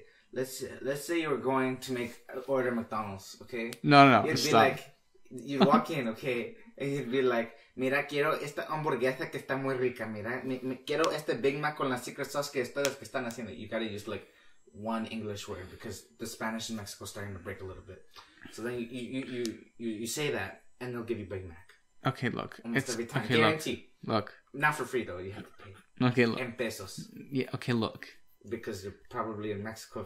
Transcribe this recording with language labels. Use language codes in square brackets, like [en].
[en] Let's say you're going to make order McDonald's, okay? No, you'd stop. Like, you'd walk in, okay? And you'd be like, [es] mira, quiero esta hamburguesa que está muy rica, mira. Quiero este Big Mac con la secret sauce que ustedes están haciendo. [en] You gotta use, like, one English word because the Spanish in Mexico is starting to break a little bit. So then you say that and they'll give you Big Mac. Okay, look. Almost it's, every time. Okay, guarantee. Look. Not for free though, you have to pay. Okay, look. In pesos. Yeah, okay, look. Because you're probably in Mexico.